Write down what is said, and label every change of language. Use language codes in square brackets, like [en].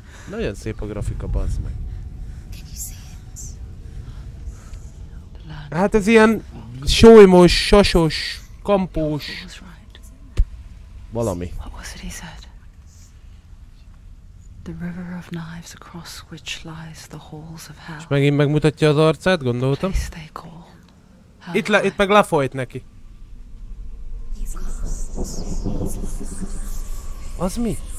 [hu] Nagyon szép a grafika, bazd meg. Hát ez ilyen sólymos, sasos, kampós... Valami. [en] What was it he said? The river of knives across which lies the halls of hell. [hu] És megint megmutatja az arcát, gondoltam. Itt meg lefolyt neki. Az mi?